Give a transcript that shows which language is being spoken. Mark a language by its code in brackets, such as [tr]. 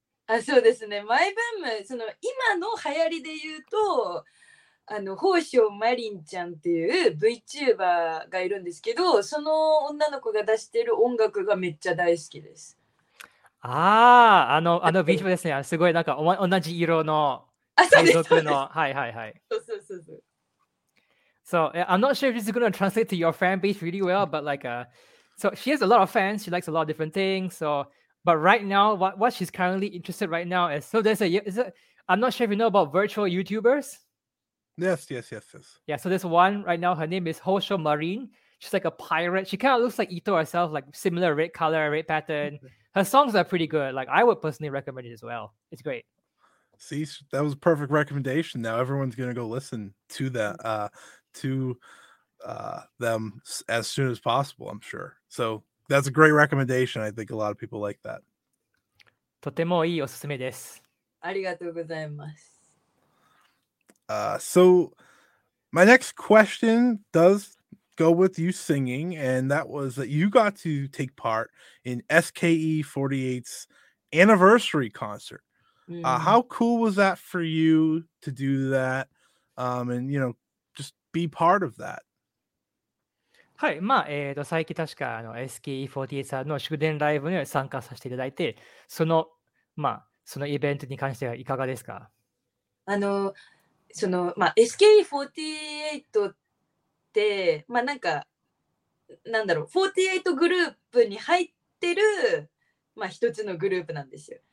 [ja] あ、そうですね、マイブーム、その今の流行りで言うと、あの宝生マリンちゃんっていう VTuber がいるんですけど、その女の子が出してる音楽がめっちゃ大好きです。あのビーチもですね、すごいなんか同じ色の海賊の、はいはいはい。 [en] So, I'm not sure if this is going to translate to your fan base really well, but like, so she has a lot of fans, she likes a lot of different things, so, but right now, what she's currently interested right now is, so there's I'm not sure if you know about virtual YouTubers? Yes. Yeah, so there's one right now, her name is Hosho Marine, she's like a pirate, she kind of looks like Itoh herself, like similar red color, red pattern. Her songs are pretty good. Like, I would personally recommend it as well. It's great. See, that was a perfect recommendation. Now everyone's going to go listen to that, them as soon as possible, I'm sure. So that's a great recommendation. I think a lot of people like that. [ja] とてもいいおすすめです。ありがとうございます。 [en] So my next question does... go with you singing, and that was that you got to take part in SKE48's anniversary concert. How cool was that for you to do that? And you know, just be part of that. [ja] はい、まあ最近確かあの SKE48 さんの祝電ライブに参加させていただいて、そのまあそのイベントに関してはいかがですか？あのそのまあ SKE48 ってまあなんかなんだろう48グループに入ってるまあ一つのグループなんですよ。